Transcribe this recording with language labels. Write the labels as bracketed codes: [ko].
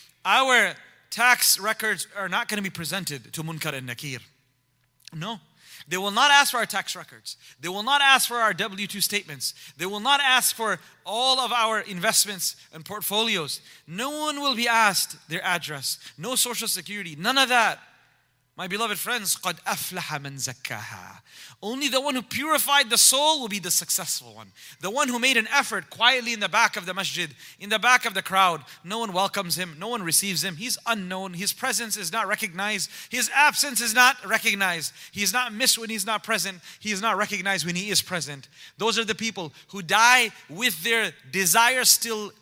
[en] Our tax records are not going to be presented to Munkar and Nakir. No. They will not ask for our tax records. They will not ask for our W-2 statements. They will not ask for all of our investments and portfolios. No one will be asked their address. No social security. None of that. My beloved friends, [ar] قَدْ أَفْلَحَ مَنْ زَكَّهَا. [en] Only the one who purified the soul will be the successful one. The one who made an effort quietly in the back of the masjid, in the back of the crowd. No one welcomes him. No one receives him. He's unknown. His presence is not recognized. His absence is not recognized. He is not missed when he's not present. He is not recognized when he is present. Those are the people who die with their desire still